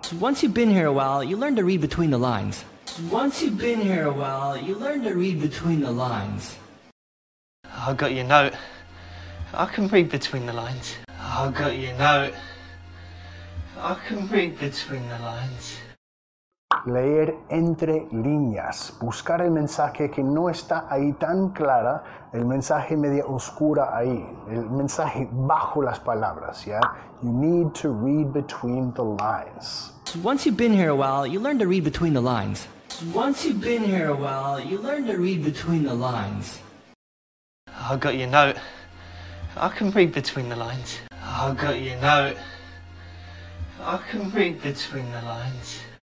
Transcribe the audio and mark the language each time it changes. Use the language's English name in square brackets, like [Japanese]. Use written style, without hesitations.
[English] Once you've been here a while, you learn to read between the lines. Once you've been here a while, you learn to read between the lines. I got your note. I can read between the lines. I got your note. I can read between the lines. [Spanish] Leer entre líneas, buscar el mensaje que no está ahí tan clara, el mensaje media oscura ahí, el mensaje bajo las palabras, ¿ya? [English] You need to read between the lines. Once you've been here a while, you learn to read between the lines. Once you've been here a while, you learn to read between the lines. I got your note. I can read between the lines. I got your note. I can read between the lines.